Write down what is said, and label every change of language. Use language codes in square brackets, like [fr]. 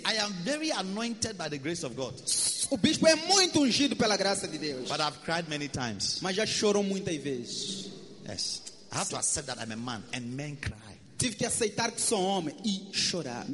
[en] I am very anointed by the grace of God. [pt] O bispo é muito ungido pela graça de Deus. [en] But I've cried many times. [pt] Mas já chorou muitas vezes. [en] Yes. I have to accept that I'm a man, and men cry. [pt] Tive que aceitar que sou homem e chorar.